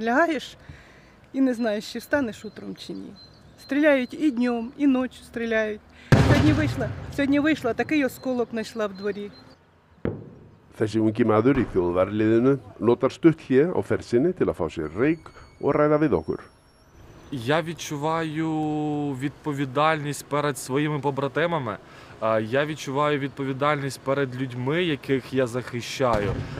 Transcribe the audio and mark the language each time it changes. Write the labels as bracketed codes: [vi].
[uk] Лягаєш і не знаєш, чи станеш утром чи ні. Стріляють і днем, і ночью стріляють. Сьогодні вийшла, такий осколок знайшла в дворі. [is] Þessi ungi maður í þjóðvarliðinu notar stutt hlé á ferð sinni til að fá sér reyk og ræða við okkur. [uk] Я відчуваю відповідальність перед своїми побратимами, Я відчуваю відповідальність перед людьми, яких я захищаю.